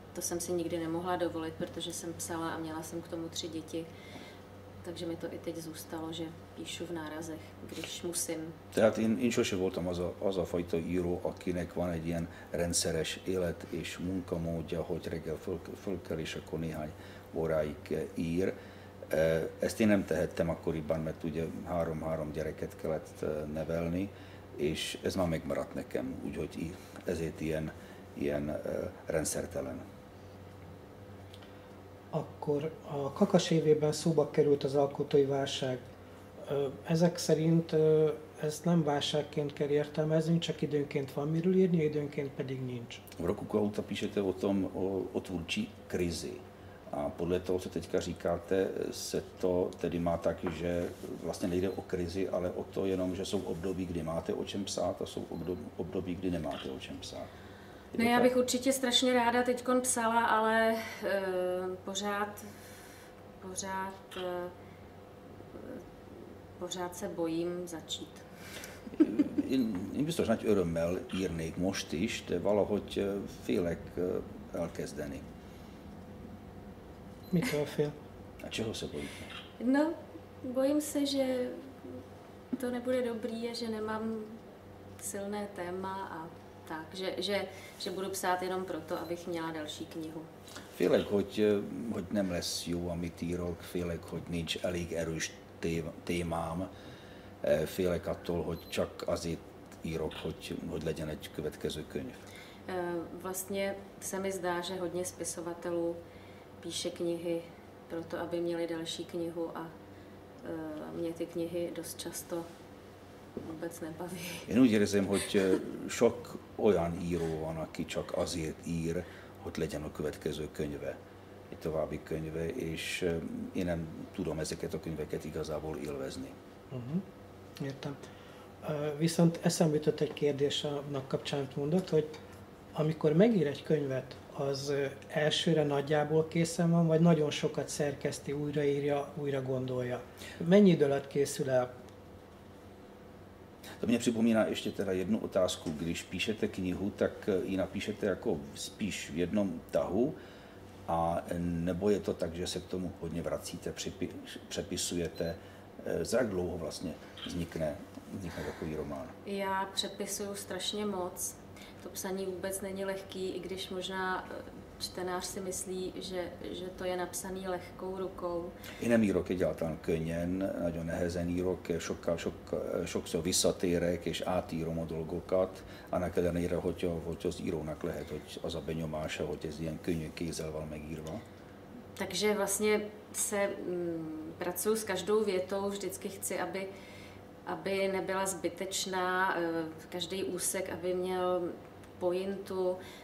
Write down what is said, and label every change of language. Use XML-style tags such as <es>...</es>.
<cs>To jsem si nikdy nemohla dovolit, protože jsem psala a měla jsem k tomu 3 děti. Takže mi to i teď zůstalo, že píšu v nárazech, když musím.</cs> <hu>Tehát én sose voltam az a fajta író, akinek van egy ilyen rendszeres élet és munkamódja, hogy reggel fölkel és akkor néhány óráig ír. Ezt én nem tehettem akkoriban, mert ugye 3 gyereket kellett nevelni, és ez már megmaradt nekem, úgyhogy ezért ilyen rendszertelen. Akkor a Kakas évében szóba került az alkotói válság. Ezek szerint ezt nem válságként kell értelmezni, csak időnként van miről írni, időnként pedig nincs.</hu> <cs>V roku kohouta píšete o tom, o tvůrčí krizi. A podle toho, co teďka říkáte, se to tedy má tak, že vlastně nejde o krizi, ale o to jenom, že jsou období, kdy máte o čem psát a jsou období, kdy nemáte o čem psát. Ne, já bych určitě strašně ráda teďkon psala, ale pořád se bojím začít.</cs> <hu>Én biztos nagy örömmel írnék most is, de valahogy félek elkezdeni. Mitől fél?</hu> <cs>A čeho se bojíte? No, bojím se, že to nebude dobrý a že nemám silné téma a tak, že budu psát jenom proto, abych měla další knihu.</cs> <hu>Félek, hogy nem lesz jó, amit írok, félek, hogy nincs elég erős témám, félek attól, hogy csak azért írok, hogy legyen egy következő könyv.</hu> <cs>Vlastně se mi zdá, že hodně spisovatelů píše knihy proto, aby měli další knihu a mě ty knihy dost často vůbec nebaví.</cs> <hu>Én úgy érzem, hogy sok olyan író van, aki csak azért ír, hogy legyen a következő könyve, egy további könyve, és én nem tudom ezeket a könyveket igazából élvezni. Uh-huh. Értem. Viszont eszembe jutott egy kérdés annak kapcsán, amit mondott, hogy amikor megír egy könyvet, az elsőre nagyjából készen van, vagy nagyon sokat szerkeszti, újraírja, újra gondolja. Mennyi idő alatt készül el?</hu> <cs>To mě připomíná ještě teda jednu otázku, když píšete knihu, tak ji napíšete jako spíš v jednom tahu, a nebo je to tak, že se k tomu hodně vracíte, přepisujete, za jak dlouho vlastně vznikne takový román? Já přepisuju strašně moc, to psaní vůbec není lehký, i když možná čtenář si myslí, že to je napsaný lehkou rukou.</cs> <hu>Jinem írok</hu> <cs>je dělatelný</cs> <hu>könnyen, nagyon nehezen írok, sokszor visszatérek és átírom a dolgokat, annak ellenére, hogy az írónak lehet, hogy az a benyomása, hogy ez ilyen könnyű kézzel van megírva.</hu> <cs>Takže vlastně se pracuju s každou větou, vždycky chci, aby nebyla zbytečná, každý úsek, aby měl pointu.</cs>